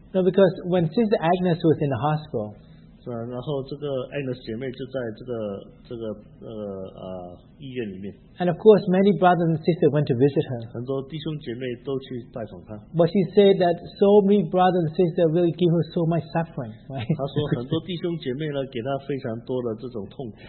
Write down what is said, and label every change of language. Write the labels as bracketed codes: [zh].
[en] No, because when Sister Agnes was in the hospital, [zh] 然后这个Agnes姐妹就在这个医院里面。 [en] And of course, many brothers and sisters went to visit her. [zh] 很多弟兄姐妹都去拜访她。 [en] But she said that so many brothers and sisters really give her so much suffering. Right? [zh] 她说很多弟兄姐妹呢给她非常多的这种痛苦。